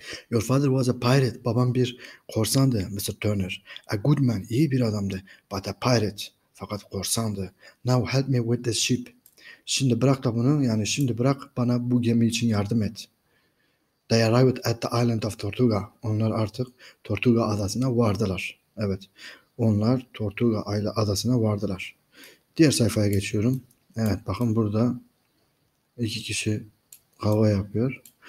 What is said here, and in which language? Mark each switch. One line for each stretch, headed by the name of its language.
English: Your father was a pirate.
Turkish: Babam bir korsandı, Mr. Turner.
English: A good man.
Turkish: İyi bir adamdı.
English: But a pirate.
Turkish: Fakat korsandı.
English: Now help me with this ship.
Turkish: Şimdi bırak da bunu. Yani şimdi bırak bana bu gemi için yardım et.
English: They arrived at the island of Tortuga.
Turkish: Onlar artık Tortuga adasına vardılar. Evet. Onlar Tortuga adasına vardılar. Diğer sayfaya geçiyorum. Evet. Bakın burada iki kişi kavga yapıyor.